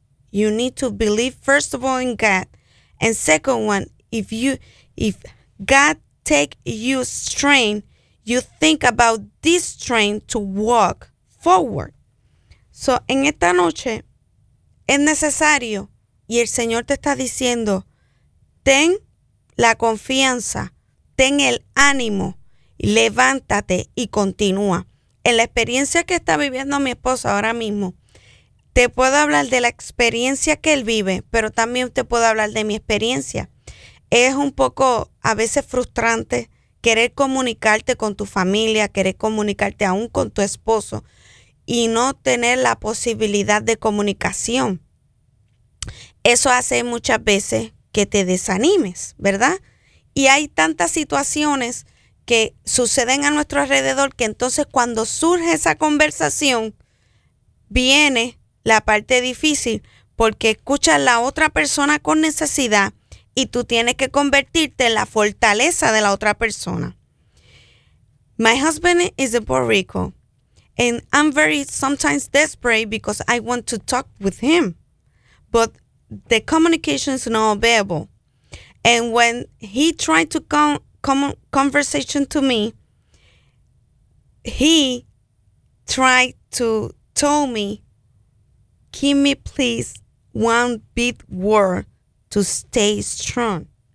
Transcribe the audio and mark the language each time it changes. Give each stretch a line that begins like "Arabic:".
English: You need to believe, first of all, in God. And second one, if God take you strength, you think about this train to walk forward.
Spanish: So, en esta noche, es necesario, y el Señor te está diciendo, ten la confianza, ten el ánimo, levántate y continúa. En la experiencia que está viviendo mi esposo ahora mismo, te puedo hablar de la experiencia que él vive, pero también te puedo hablar de mi experiencia. Es un poco, a veces, frustrante querer comunicarte con tu familia, querer comunicarte aún con tu esposo y no tener la posibilidad de comunicación. Eso hace muchas veces que te desanimes, ¿verdad? Y hay tantas situaciones que suceden a nuestro alrededor que entonces cuando surge esa conversación, viene la parte difícil porque escuchas a la otra persona con necesidad y tú tienes que convertirte en la fortaleza de la otra persona.
English: My husband is in Puerto Rico and I'm very sometimes desperate because I want to talk with him. But the communication is not available. And when he tried to conversation to me, he tried to tell me, give me please one big word to stay strong.